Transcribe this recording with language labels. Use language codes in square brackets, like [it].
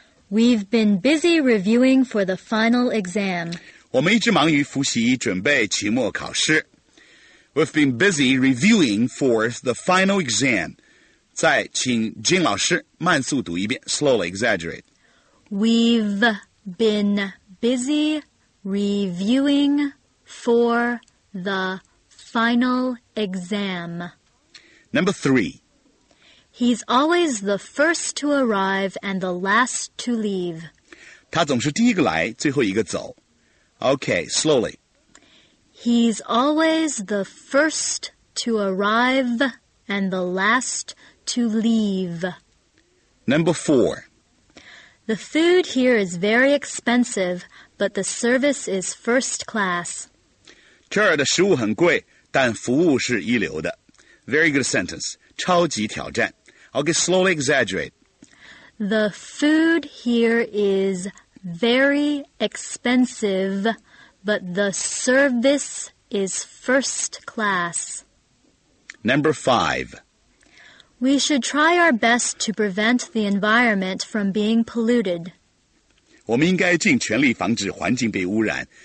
[en] We've been busy reviewing for the final exam. [zh] 我们一直忙于复习准备期末考试。 [en] We've been busy reviewing for the final exam. [zh] 再请金老师慢速读一遍。 [en] Slowly exaggerated. We've been busy reviewing for the final exam. Number 3. He's always the first to arrive and the last to leave. [zh] 他总是第一个来，最后一个走。 [en] Okay, slowly. He's always the first to arrive and the last to leave. Number 4. The food here is very expensive, but the service is first class. [zh] 这儿的食物很贵，但服务是一流的。 [en] Very good sentence. [zh] 超级挑战。 [en] Okay, slowly exaggerate. The food here is very expensive, but the service is first class. Number 5. We should try our best to prevent the environment from being polluted. [zh] 我们应该尽全力防止环境被污染。